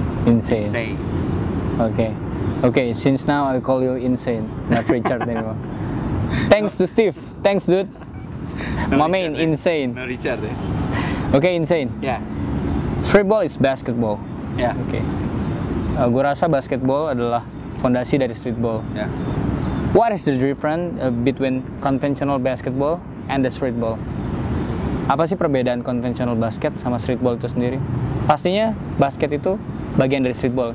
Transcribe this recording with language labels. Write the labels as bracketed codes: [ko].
[en] insane. Okay, since now I call you insane, not Richard anymore. Thanks to Steve. Thanks, dude. My main, insane. No Richard, eh? Okay, insane. Yeah. Street ball is basketball. Yeah. Okay. [id] Gua rasa basketball adalah fondasi dari street ball. [en] Yeah. What is the difference between conventional basketball and the street ball? [id] Apa sih perbedaan conventional basket sama street ball itu sendiri? Pastinya basket itu bagian dari street ball.